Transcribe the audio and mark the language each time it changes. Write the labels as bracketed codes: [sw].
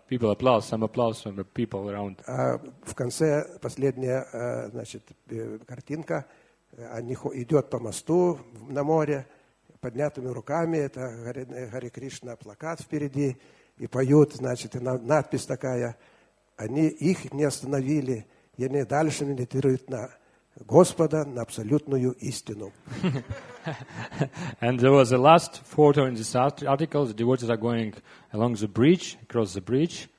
[en] People applause, some applause from the people around. [ru] А в конце последняя, значит, картинка, они идет по мосту на море, поднятыми руками, это Гари Кришна плакат впереди. И поют, значит, и надпись такая. Они их не остановили, и они дальше медитируют на Господа, на абсолютную истину. [en] And there was a last photo in this article. The devotees are going along the bridge, across the bridge.